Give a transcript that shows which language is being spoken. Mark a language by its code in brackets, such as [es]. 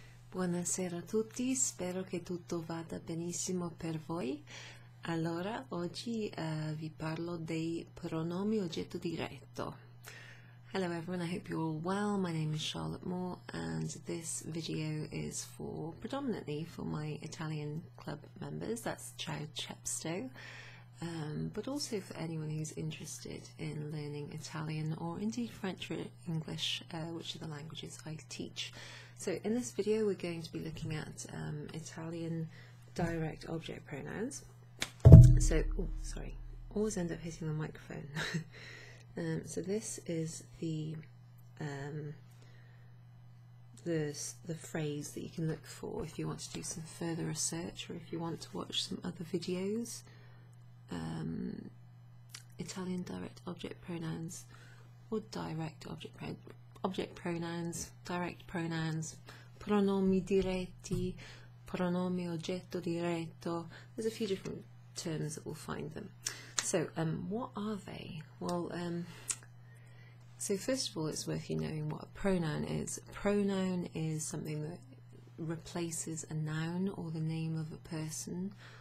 [it] Buonasera a tutti, spero che tutto vada benissimo per voi. Allora, oggi vi parlo dei pronomi oggetto diretto. [en] Hello everyone, I hope you're all well. My name is Charlotte Moore and this video is for predominantly for my Italian club members, that's Ciao Chepstow, but also for anyone who's interested in learning Italian or indeed French or English, which are the languages I teach. So in this video, we're going to be looking at Italian direct object pronouns. So, always end up hitting the microphone. So this is the phrase that you can look for if you want to do some further research or if you want to watch some other videos. Italian direct object pronouns or direct object pronouns. Object pronouns, direct pronouns, [it] pronomi diretti, pronomi oggetto diretto. [en] There's a few different terms that we'll find them. So, what are they? Well, so first of all, it's worth you knowing what a pronoun is. A pronoun is something that replaces a noun or the name of a person.